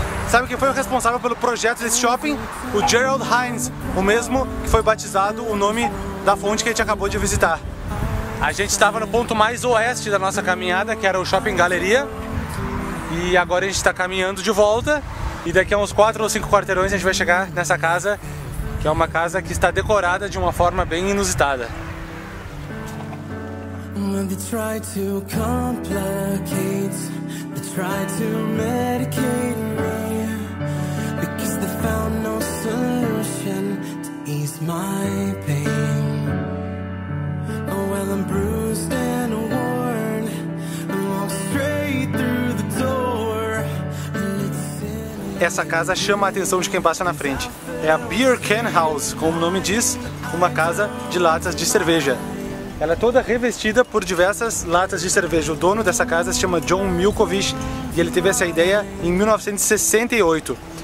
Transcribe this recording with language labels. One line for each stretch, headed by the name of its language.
Portuguese: Sabe quem foi o responsável pelo projeto desse shopping? O Gerald Hines, o mesmo que foi batizado o nome da fonte que a gente acabou de visitar. A gente estava no ponto mais oeste da nossa caminhada, que era o Shopping Galleria. E agora a gente tá caminhando de volta. E daqui a uns 4 ou 5 quarteirões a gente vai chegar nessa casa, que é uma casa que está decorada de uma forma bem inusitada.
English: When they try to complicate, they try to medicate me, because they found no solution to ease my pain. Oh, well, I'm bruised and worn, I walk straight through the door.
Portuguese: Essa casa chama a atenção de quem passa na frente. É a Beer Can House, como o nome diz, uma casa de latas de cerveja. Ela é toda revestida por diversas latas de cerveja. O dono dessa casa se chama John Milkovich e ele teve essa ideia em 1968.